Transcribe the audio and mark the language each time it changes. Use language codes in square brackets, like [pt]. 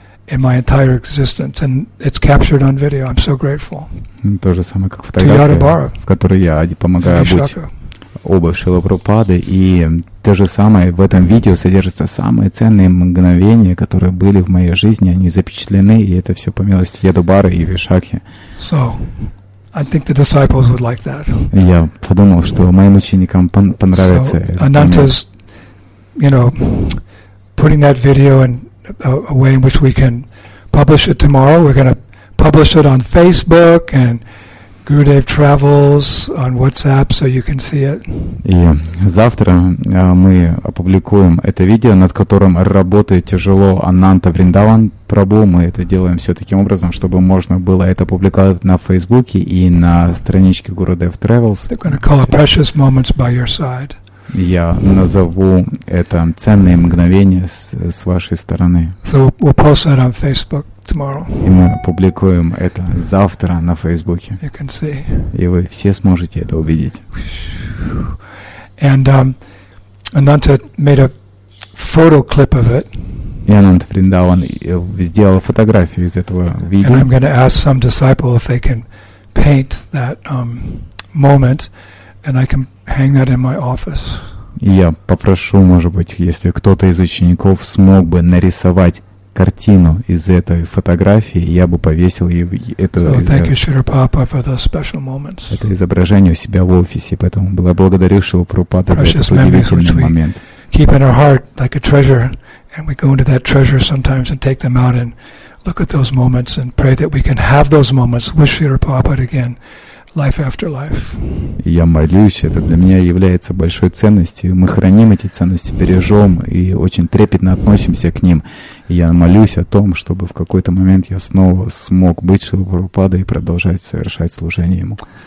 [en] In my entire existence, and it's captured on video. I'm so grateful. [ru] То же самое, как фотография, в которой я помогаю быть оба Шрилы Прабхупады, и то же самое в этом видео содержатся самые ценные мгновения, которые были в моей жизни, они запечатлены, и это все по милости Ядубары и Вишакхи. [en] So, I think the disciples would like that. [ru] Я подумал, что моим ученикам понравится. [en] So, Ananta's, putting that video and a way in which we can publish it tomorrow. We're going to publish it on Facebook and Gurudev Travels on WhatsApp, so you can see it. [ru] И завтра мы опубликуем это видео, над которым работает тяжело Ананта Вриндаван Прабу. Мы это делаем все таким образом, чтобы можно было это публиковать на Фейсбуке и на страничке Gurudev Travels. [en] They're going to call it Precious Moments by Your Side. [ru] Я назову это ценные мгновения с вашей стороны. [en] So we'll post that on Facebook tomorrow. [ru] И мы опубликуем это завтра на Фейсбуке. [en] You can see. [ru] И вы все сможете это увидеть. [en] And Ananta made a photo clip of it. [ru] И Ананта Вриндаван сделала фотографию из этого видео. [en] And I'm going to ask some disciple if they can paint that moment, and I can hang that in my office. [ru] Я попрошу, может быть, если кто-то из учеников смог бы нарисовать картину из этой фотографии, я бы повесил это. [en] So thank you, Шри Прабхупада, for those special moments. [ru] Это изображение у себя в офисе, поэтому я благодарю Шри Прабхупада за этот удивительный момент. [en] Keep in our heart like a treasure, and we go into that treasure sometimes and take them out and look at those moments and pray that we can have those moments with Shri Prabhupada again. Life after life. [ru] Я молюсь, это для меня является большой ценностью. Мы храним эти ценности, бережем и очень трепетно относимся к ним. И я молюсь о том, чтобы в какой-то момент я снова смог быть Шрила Прабхупадой и продолжать совершать служение ему.